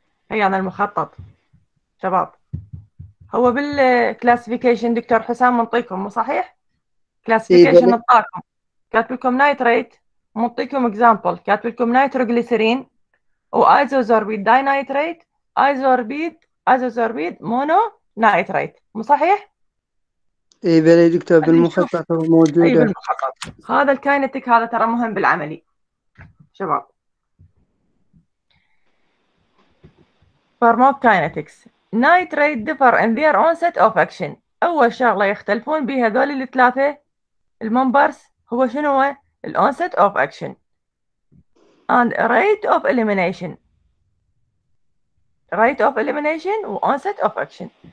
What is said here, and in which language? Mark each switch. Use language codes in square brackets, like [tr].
[ar] هي أنا المخطط شباب هو بالكلاسيفيكيشن دكتور حسام منطيكم مو صحيح؟ كلاسيفيكيشن نطاكم كاتب لكم نايتريت منطيكم اكزامبل كاتب لكم نيتروغليسرين وايزوزوربيد داي نايتريت ايزوزوربيد مونو نايتريت مو صحيح؟ اي بلي دكتور بالمخطط موجودة. اي بالمخطط هذا الكاينتيك هذا ترى مهم بالعملي شباب. [en] Pharmacokinetics. Nitrate differ in their onset of action. [ar] أول شغلة يختلفون بها ذول الثلاثة الممبرز هو شنو هو؟ [en] The onset of action. And rate of elimination. Rate of elimination و onset of action.